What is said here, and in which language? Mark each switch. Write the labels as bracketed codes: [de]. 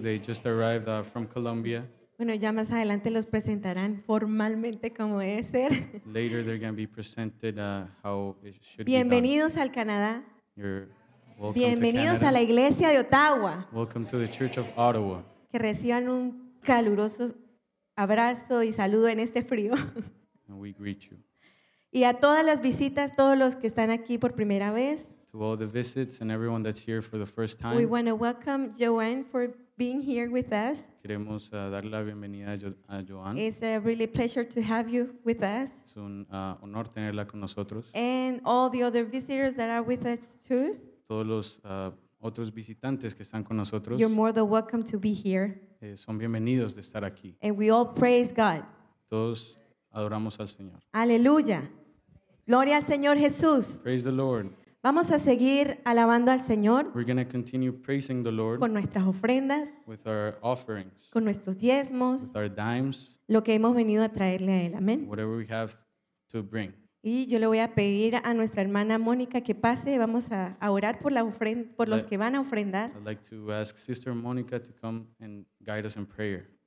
[en] They just arrived from Colombia. [es] Bueno, ya más adelante los presentarán formalmente como debe ser. [en] Later they're going to be presented how it should be. [es] Bienvenidos al Canadá. [en] You're welcome. [es] Bienvenidos a la iglesia de Ottawa. [en] Welcome to the Church of Ottawa. [es] Que reciban un caluroso abrazo y saludo en este frío. [en] And we greet you. [es] Y a todas las visitas, todos los que están aquí por primera vez. [en] To all the visits and everyone that's here for the first time. We want to welcome Joanne for being here with us. [es] Queremos darle la bienvenida a Joanne. [en] It's a really pleasure to have you with us. [es] Es un honor tenerla con nosotros. [en] And all the other visitors that are with us too. [es] Todos los otros visitantes que están con nosotros. [en] You're more than welcome to be here. [es] Son bienvenidos de estar aquí. [en] And we all praise God. [es] Todos adoramos al Señor. Aleluya. Gloria al Señor Jesús. [en] Praise the Lord. [es] Vamos a seguir alabando al Señor. [en] We're going to continue praising the Lord. [es] Con nuestras ofrendas. [en] With our offerings. [es] Con nuestros diezmos. [en] With our dimes. [es] Lo que hemos venido a traerle a Él. Amén. [en] Whatever we have to bring. [es] Y yo le voy a pedir a nuestra hermana Mónica que pase. Vamos a orar por la ofrenda, por los que van a ofrendar. [en] I'd like to ask Sister Monica to come and guide us in prayer.